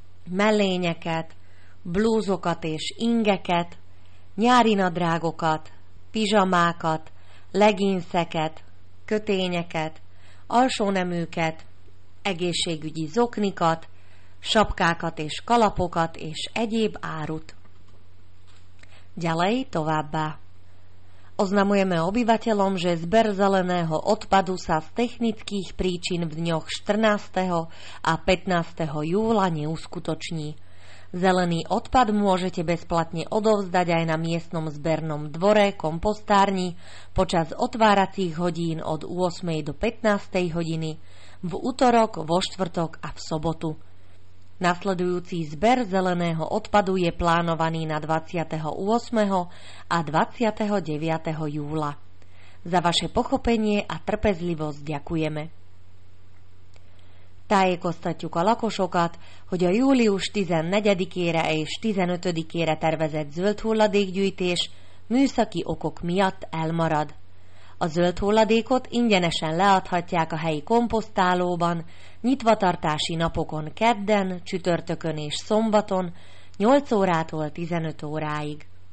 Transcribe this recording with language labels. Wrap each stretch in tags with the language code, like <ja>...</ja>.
<hu>mellényeket, blúzokat és ingeket, nyári nadrágokat, pizsamákat, leginszeket, kötényeket, alsóneműket, egészségügyi zoknikat, sapkákat és kalapokat és egyéb árut.</hu> <sk>Ďalej</sk> <hu>továbbá.</hu> <sk>Oznamujeme obyvateľom, že zber zeleného odpadu sa z technických príčin v dňoch 14. a 15. júla neuskutoční. Zelený odpad môžete bezplatne odovzdať aj na miestnom zbernom dvore, kompostárni, počas otváracích hodín od 8. do 15. hodiny, v utorok, vo štvrtok a v sobotu. Nasledujúci zber zeleného odpadu je plánovaný na 28. a 29. júla. Za vaše pochopenie a trpezlivosť ďakujeme.</sk> <hu>Tájékoztatjuk a lakosokat, hogy a július 14-ére és 15-ére tervezett zöld hulladékgyűjtés műszaki okok miatt elmarad. A zöld hulladékot ingyenesen leadhatják a helyi komposztálóban, nyitvatartási napokon kedden, csütörtökön és szombaton, 8 órától 15 óráig.</hu>